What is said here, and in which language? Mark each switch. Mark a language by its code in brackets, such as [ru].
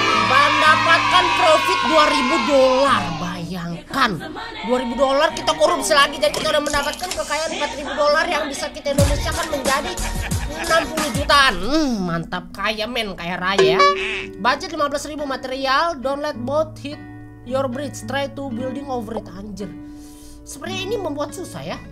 [id] Mendapatkan profit $2,000. Bayangkan $2,000 kita korupsi lagi. Jadi kita udah mendapatkan kekayaan $4,000 yang bisa kita Indonesia kan menjadi 60 jutaan. Mantap, kaya men, kaya raya. Budget 15.000, material. [en] Don't let boat hit your bridge. Try to building over it. [id] Anjir, sebenarnya ini membuat susah ya.